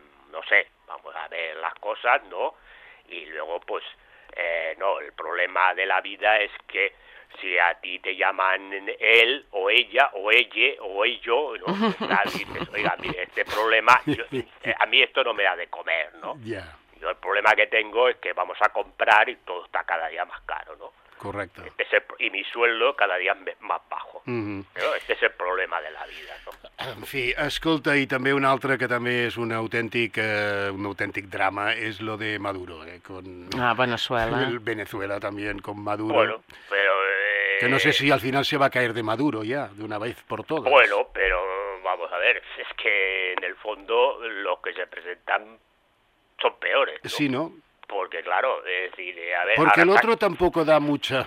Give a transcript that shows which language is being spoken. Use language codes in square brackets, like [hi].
[es] No sé, vamos a ver las cosas, ¿no? Y luego, pues, no, el problema de la vida es que si a ti te llaman él o ella o ella o ello, ¿no? Dices, oiga, mire, este problema, a mí esto no me da de comer, ¿no? Yo el problema que tengo es que vamos a comprar y todo está cada día más caro, ¿no? Correcto. Este es y mi sueldo cada día más bajo. Este es el problema de la vida, ¿no? [ca] En fi, escolta, i també un altre que també és un autèntic drama és lo de Maduro, con Venezuela. Venezuela també con Maduro. [es] Bueno, pero que no sé si al final se va a caer de Maduro ya, de una vez por todas. Bueno, pero vamos a ver, es que en el fondo los que se presentan son peores, ¿no? Sí, ¿no? Porque, claro, es decir, a ver... Porque el otro tampoco da mucha...